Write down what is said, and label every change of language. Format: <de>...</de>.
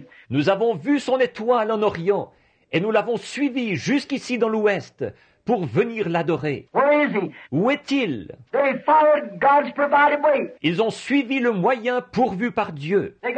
<fr>Nous avons vu son étoile en Orient et nous l'avons suivi jusqu'ici dans l'Ouest pour venir l'adorer.</fr> <en>Where is he?</en> <fr>Où est-il?</fr> <en>They followed God's provided way.</en> <fr>Ils ont suivi le moyen pourvu par Dieu.</fr>